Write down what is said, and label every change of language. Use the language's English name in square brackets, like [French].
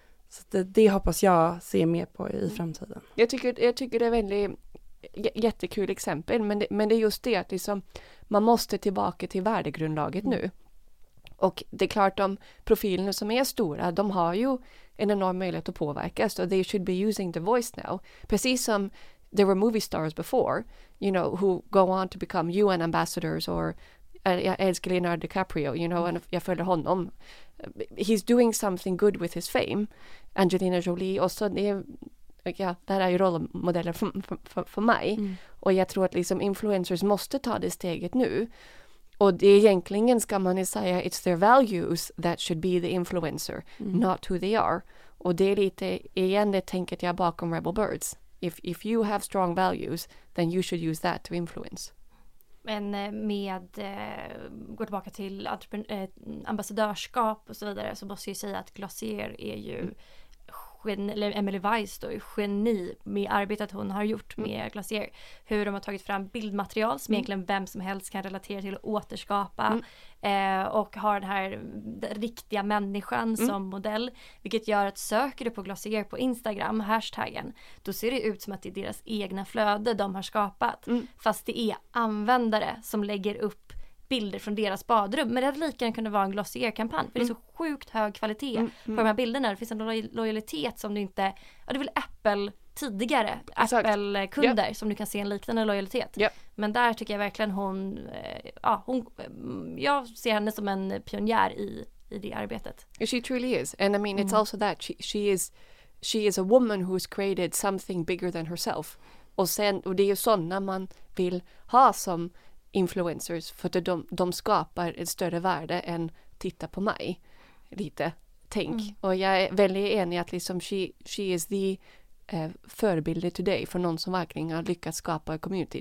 [Swedish] Så det hoppas jag se mer på i framtiden. Jag tycker det är väldigt jättekul exempel. Men det är just det att liksom, man måste tillbaka till värdegrundlaget nu. Och det är klart de profilerna som är stora, de har ju en enorm möjlighet att påverkas. [English] So they should be using the voice now. [Swedish] Precis som [English] there were movie stars before, you know, who go on to become UN ambassadors or [Swedish] jag älskar [English] Leonardo DiCaprio, you know, and [Swedish] jag följer honom. [English] He's doing something good with his fame. [Swedish] Angelina Jolie och så, det här är ju rollmodeller för mig. Mm. Och jag tror att liksom influencers måste ta det steget nu. Och det är egentligen, ska man säga, [English] it's their values that should be the influencer, not who they are. [Swedish] Och det är lite, igen, det tänket jag bakom Rebel Birds. [English] If you have strong values, then you should use that to influence. [Swedish] Men med, går tillbaka till ambassadörskap och så vidare, så måste jag säga att Glossier är ju, Emily Weiss då, geni med arbetet hon har gjort med Glossier. Hur de har tagit fram bildmaterial som egentligen vem som helst kan relatera till och återskapa. Mm. Och har den här riktiga människan som modell. Vilket gör att söker du på Glossier på Instagram, hashtaggen, då ser det ut som att det är deras egna flöde de har skapat. Mm. Fast det är användare som lägger upp bilder från deras badrum. Men det hade lika gärna kunnat vara en Glossier-kampanj. För det är så sjukt hög kvalitet på de här bilderna. Det finns en lojalitet som du inte... Ja, det är väl Apple tidigare. Exakt. Apple-kunder som du kan se en liknande lojalitet. [English] Yep. [Swedish] Men där tycker jag verkligen hon... Ja, hon, jag ser henne som en pionjär i det arbetet. [English] She truly is. And I mean, it's also that she is a woman who's created something bigger than herself. [Swedish] Och sen, och det är ju sådana man vill ha som influencers, för att de skapar ett större värde än titta på mig, lite tänk. Mm. Och jag är väldigt enig att liksom [English] she is the [Swedish] förebild today för någon som verkligen har lyckats skapa en community.